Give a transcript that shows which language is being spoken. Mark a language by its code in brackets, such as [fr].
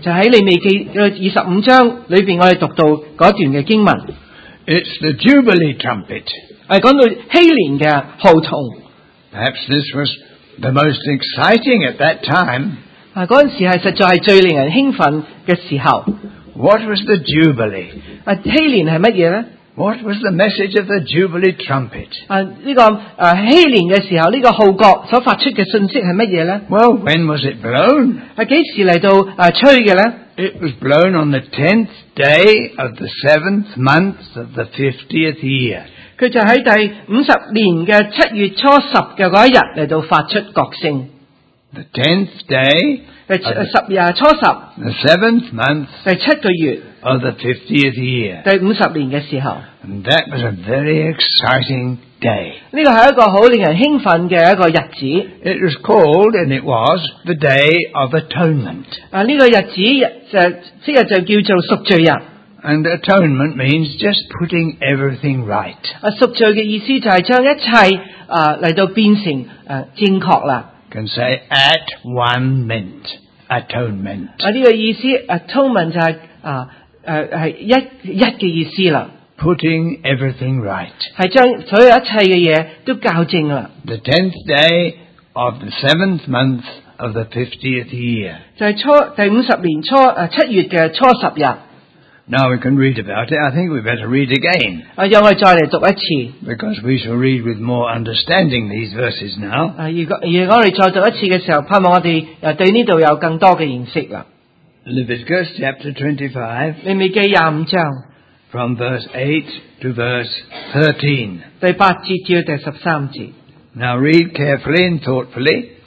[zh] 就在利未记25章里面我们读到那段的经文。 [en] It's the Jubilee trumpet. [zh] 是讲到希年的号筒。 [en] Perhaps this was the most exciting at that time. [zh] 那时候实在是最令人兴奋的时候。 [en] What was the Jubilee? [zh] 希年是什么呢？ [en] What was the message of the Jubilee trumpet? [zh] 希年的时候这个号角所发出的信息是什么呢 [en] Well, when was it blown? [zh] 几时来到吹的呢 [en] It was blown on the 10th day of the 7th month of the 50th year. [zh] 它就在第50年的7月初十的那一天来到发出角声。 [en] The 10th day, the 7th month, [zh] 第七个月 [en] of the 50th year. [zh] 第五十年的时候 [en] And that was a very exciting day. [zh] 这个是一个很令人兴奋的一个日子 [en] It was called, and it was, the Day of Atonement. [zh] 这个日子即日就叫做赎罪日 [en] And atonement means just putting everything right. [zh] 赎罪的意思就是将一切来到变成正确了。 [en] Can say at one mint atonement. [zh] 这个意思 atonement 就是一的意思了。 [en] Putting everything right. [zh] 是将所有一切的事都校正了。 [en] The 10th day of the 7th month of the 50th year. [zh] 就是初第五十年初七月的初十日。 [en] Now we can read about it. I think we better read again. [zh] 让我再来读一次。 [en] Because we shall read with more understanding these verses now. [zh] 如果我们再读一次的时候，盼望我们对这里有更多的认识了。 [en] Leviticus chapter 25. [zh] 利未记25章。 [en] From verse 8 to verse 13. [zh] 第八节至第十三节。 [en] Now read carefully and thoughtfully.